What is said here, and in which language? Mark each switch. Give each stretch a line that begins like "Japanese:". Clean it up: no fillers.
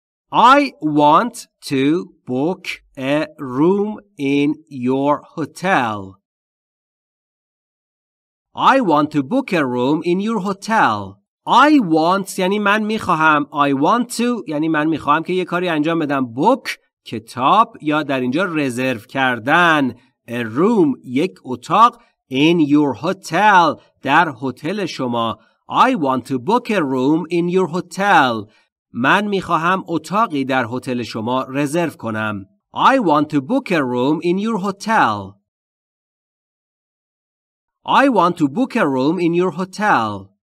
English: I want to book a room in your hotel. I want to book a room in your hotel. I want
Persian: یعنی من میخواهم.
English: I want to
Persian: یعنی من میخواهم که یه کاری انجام بدم. Book کتاب یا در اینجا رزرو کردن.
English: A room
Persian: یک اتاق.
English: In your hotel
Persian: در هتل شما.
English: I want to book a room in your hotel.
Persian: من میخواهم اتاقی در هتل شما رزرو کنم.
English: I want to book a room in your hotel. I want to book a room in your hotel.